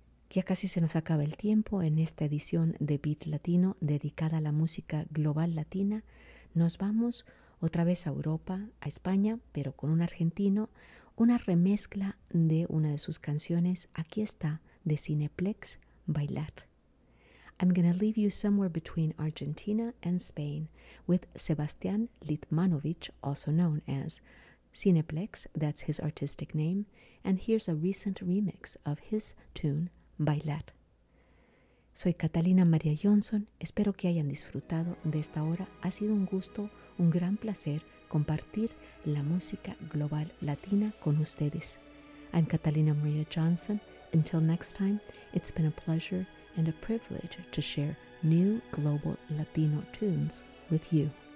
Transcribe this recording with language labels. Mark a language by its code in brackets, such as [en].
[es] Ya casi se nos acaba el tiempo en esta edición de Beat Latino dedicada a la música global latina. Nos vamos otra vez a Europa, a España, pero con un argentino. Una remezcla de una de sus canciones, aquí está, de Cineplex, Bailar. [en] I'm going to leave you somewhere between Argentina and Spain with Sebastián Litmanovich, also known as Cineplex, that's his artistic name, and here's a recent remix of his tune, Bailar. [es] Soy Catalina María Johnson, espero que hayan disfrutado de esta hora, ha sido un gusto, un gran placer compartir la música global latina con ustedes. [en] I'm Catalina Maria Johnson. Until next time, it's been a pleasure and a privilege to share new global Latino tunes with you.